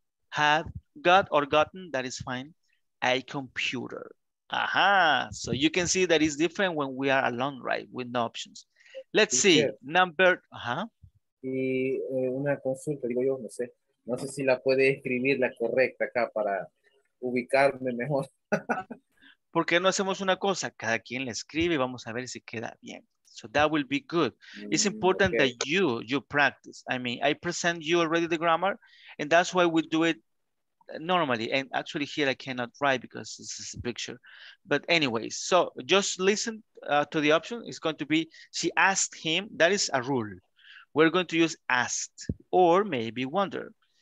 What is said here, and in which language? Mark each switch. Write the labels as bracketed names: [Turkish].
[English] Had got or gotten, that is fine, a computer. Aha. So you can see that it's different when we are alone, right? With no options. Let's see. Sure. Number, [Spanish] Y una consulta, digo yo, no sé si la puede escribir la correcta acá para ubicarme mejor. ¿Por qué no hacemos una cosa? Cada quien la escribe y vamos a ver si queda bien. [English] So that will be good. It's important okay. that you practice. I mean, I present you already the grammar, and that's why we do it normally. And actually here I cannot write because this is a picture. But anyways, so just listen to the option. It's going to be, she asked him, that is a rule. We're going to use asked or maybe wondered.